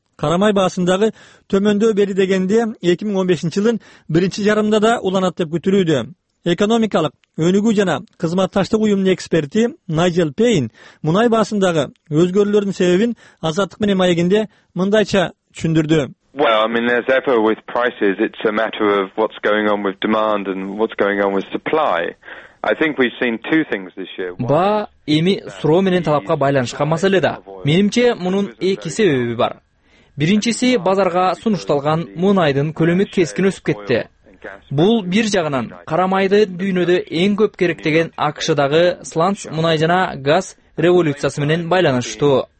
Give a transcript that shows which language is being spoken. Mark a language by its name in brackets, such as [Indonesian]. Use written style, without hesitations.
[Kyrgyz] Карамай баасындагы төмөндөө бери дегенде 2015 жылдын биринчи жарымында да уланат деп күтүлүүдө. Экономикалык өнүгүү жана кызматташтык уюмунун эксперти Найджел Пейн мунай баасындагы өзгөрүүлөрдүн себебин Азаттык менен маегинде мындайча түшүндүрдү. [English] Well, I mean, as ever with prices, it's a matter of what's going on with demand and what's going on with supply. I think we've seen two things this year. [Kyrgyz] Ба эми суроо менен талапка байланышкан маселе да. Менимче мунун эки себеби бар. Биринчиси базарга сунушталган мунайдын көлөмү кескин өсүп кетти. Бул бир жагынан карамайды дүйнөдө эң көп керектеген АКШ-дагы сланц мунай жана газ революциясы менен байланыштуу.